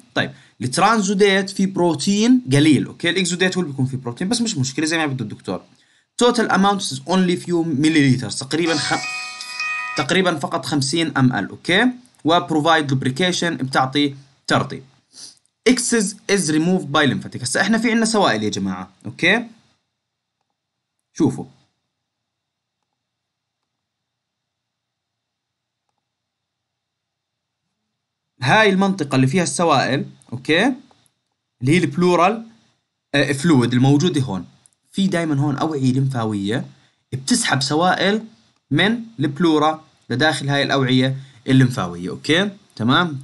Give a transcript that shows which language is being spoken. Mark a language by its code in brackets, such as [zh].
[ar] طيب الترانزوديت فيه بروتين قليل، اوكي، الاكزوديت هو اللي بيكون فيه بروتين، بس مش مشكله زي ما بده الدكتور. [en] total amount is only few millilitre, [ar] تقريبا تقريبا فقط 50 ml، [en] okay, وبروفايد lubrication, [ar] بتعطي ترطيب. [en] excess is removed by lymphatic. [ar] هسه احنا في عندنا سوائل يا جماعه، اوكي، شوفوا هاي المنطقه اللي فيها السوائل، اوكي، اللي هي البلورال فلويد الموجوده هون، في دائما هون اوعيه لمفاويه بتسحب سوائل من البلورا لداخل هاي الاوعيه اللمفاويه، اوكي تمام.